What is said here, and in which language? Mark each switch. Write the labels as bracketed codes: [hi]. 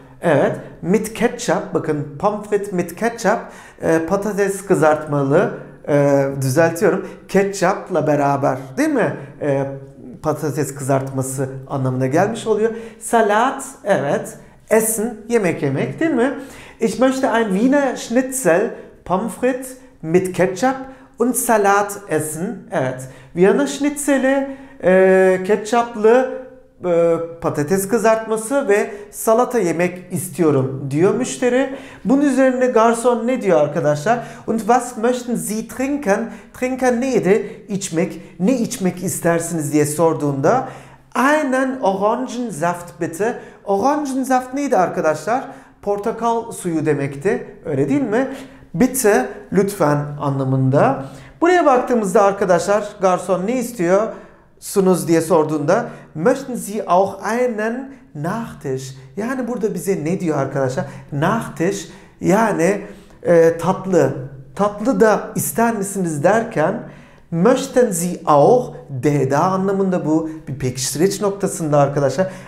[tr] Evet, [de] mit ketchup, [tr] bakın [de] pommes frites mit ketchup, [tr] patates kızartmalı, düzeltiyorum, ketchupla beraber değil mi? Patates kızartması anlamına gelmiş oluyor. Salat, evet, essen, yemek yemek değil mi? [de] Ich möchte ein Wiener Schnitzel, pommes frites mit ketchup und Salat essen, evet. [tr] Viyana Schnitzel'i ketchuplı patates kızartması ve salata yemek istiyorum diyor müşteri. Bunun üzerine garson ne diyor arkadaşlar? [de] Und was möchten Sie trinken? [tr] Trinken neydi? İçmek. Ne içmek istersiniz diye sorduğunda [de] einen Orangensaft bitte. [tr] Orangensaft neydi arkadaşlar? Portakal suyu demekti. Öyle değil mi? Bitte, lütfen anlamında. Buraya baktığımızda arkadaşlar garson ne istiyor? Sunuz diye sorduğunda [de] möchten Sie auch einen Nachtisch? [tr] Yani burada bize ne diyor arkadaşlar? Nachtisch yani tatlı. Tatlı da ister misiniz derken [de] möchten Sie auch [tr] DDA anlamında bu bir pekiştireç noktasında arkadaşlar.